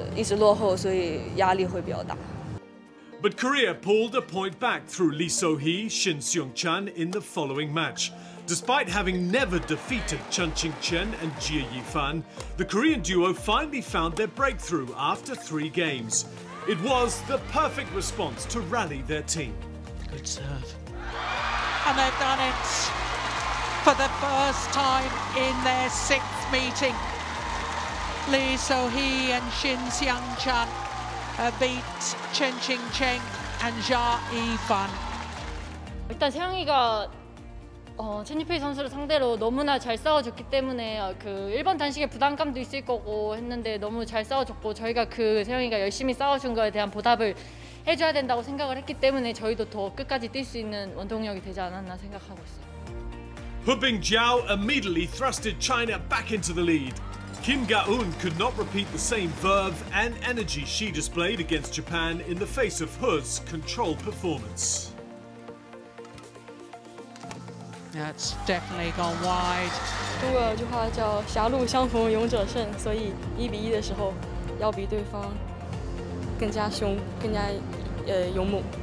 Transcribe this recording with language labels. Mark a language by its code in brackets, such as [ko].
[zh] 我是起码是保持领先的，虽然也比分很焦灼，但是我领先的话压力可能没那么大，但这个就是一直落后，所以压力会比较大。 [en] But Korea pulled a point back through Lee So-hee, Shin Seung-chan in the following match. Despite having never defeated Chun Ching-chen and Jia Yifan, the Korean duo finally found their breakthrough after three games. It was the perfect response to rally their team. Good serve. And they've done it. For the first time in their sixth meeting, Lee So-hee and Shin Seung-chan beat Chen Ching-cheng and Zha Yifan. [ko] 일단 세영이가 첸 유페이 선수를 상대로 너무나 잘 싸워줬기 때문에 그 1번 단식에 부담감도 있을 거고 했는데 너무 잘 싸워줬고 저희가 그 세영이가 열심히 싸워준 거에 대한 보답을 해줘야 된다고 생각을 했기 때문에 저희도 더 끝까지 뛸 수 있는 원동력이 되지 않았나 생각하고 있어요. [en] Hubing Zhao immediately thrusted China back into the lead. Kim Ga-un could not repeat the same verve and energy she displayed against Japan in the face of He's controlled performance. That's definitely gone wide. [zh] 中国有句话叫“狭路相逢勇者胜”，所以1比1的时候要比对方更加凶，更加勇猛。